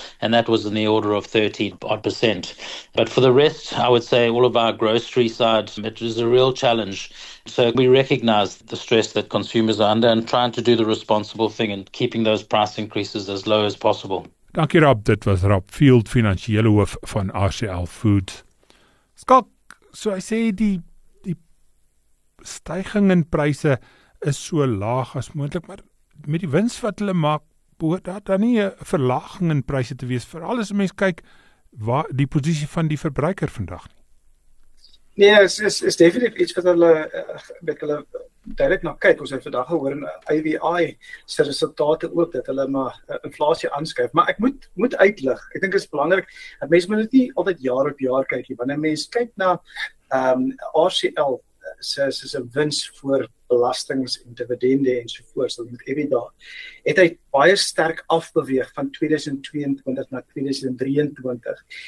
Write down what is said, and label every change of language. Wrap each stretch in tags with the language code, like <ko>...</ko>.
<en>And that was in the order of 30-odd%. But for the rest, I would say all of our grocery side, it is a real challenge. So we recognize the stress that consumers are under and trying to do the responsible thing and keeping those price increases as low as possible.</en> <af>Dankie Rob, dit was Rob Field, finansiële hoof van RCL Foods. Skalk, so hy sê die stygging in pryse is so laag as moontlik, maar met die wins wat hulle maak, behoort daar dan nie 'n verlaging in pryse te wees, veral as mens kyk waar die posisie van die verbruiker vandag nie. Nee, is definitief iets wat hulle met hulle direct na kyk. Ons het vandag gehoor in IVI se resultate ook dat hulle maar inflasie aanskuif. Maar ek moet uitlig. Ek dink dit is belangrik dat mense moet dit nie altyd jaar op jaar kyk nie. Wanneer mense kyk na RCL se wins voor belastings en dividende en so voort, so met EBITDA, het hy baie sterk afbeweeg van 2022 na 2023.</af>